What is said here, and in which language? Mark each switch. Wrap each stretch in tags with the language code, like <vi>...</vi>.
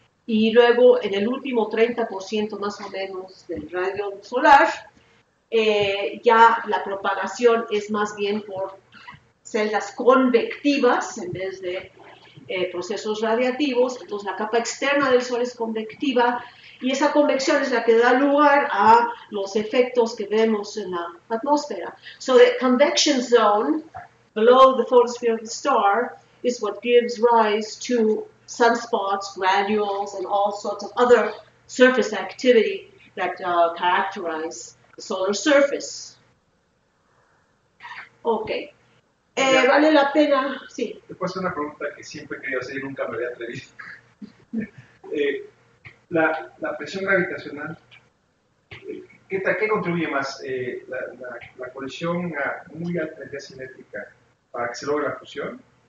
<es>Y luego, en el último 30% más o menos del radio solar, ya la propagación es más bien por celdas convectivas en vez de procesos radiativos. Entonces, la capa externa del Sol es convectiva y esa convección es la que da lugar a los efectos que vemos en la atmósfera.</es> <en>So, the convection zone below the photosphere of the star is what gives rise to sunspots, granules, and all sorts of other surface activity that characterize the solar surface. Ok.</en> <es>Ya, Vale la pena, sí. te puedo hacer una pregunta que siempre he querido hacer y nunca me había atrevido. la presión gravitacional, ¿qué contribuye más? ¿La colisión a muy alta energía cinética para que se logre la fusión?</es>